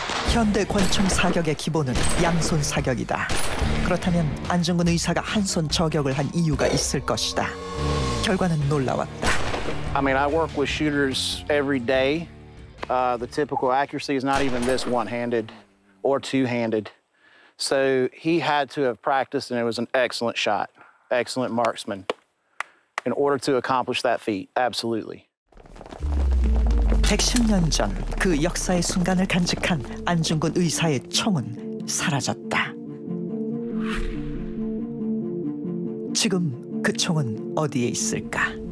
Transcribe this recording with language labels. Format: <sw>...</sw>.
<ko>현대 권총 사격의 기본은 양손 사격이다. 그렇다면 안중근 의사가 한손 저격을 한 이유가 있을 것이다. 결과는 놀라웠다.</ko> <en>I mean, I work with shooters every day. The typical accuracy is not even this one-handed or two-handed. So he had to have practiced, and it was an excellent shot, excellent marksman, in order to accomplish that feat. Absolutely.</en> <ko>110년 전 그 역사의 순간을 간직한 안중근 의사의 총은 사라졌다. 지금 그 총은 어디에 있을까?</ko>